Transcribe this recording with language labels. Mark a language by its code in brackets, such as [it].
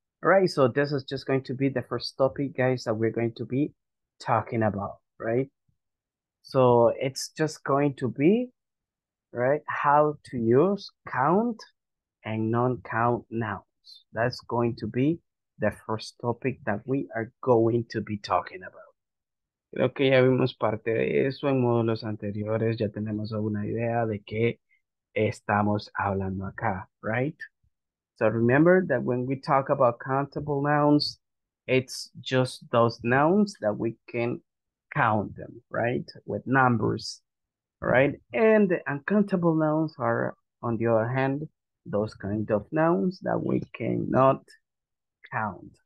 [en] All right, so this is just going to be the first topic, guys, that we're going to be talking about, right? So it's just going to be, right, how to use count and non-count nouns. That's going to be the first topic that we are going to be talking about. [es] Creo que ya vimos parte de eso en módulos anteriores. Ya tenemos alguna idea de qué estamos hablando acá, right? [en] So remember that when we talk about countable nouns, it's just those nouns that we can count them, right? With numbers, right? And the uncountable nouns are, on the other hand, those kind of nouns that we cannot count.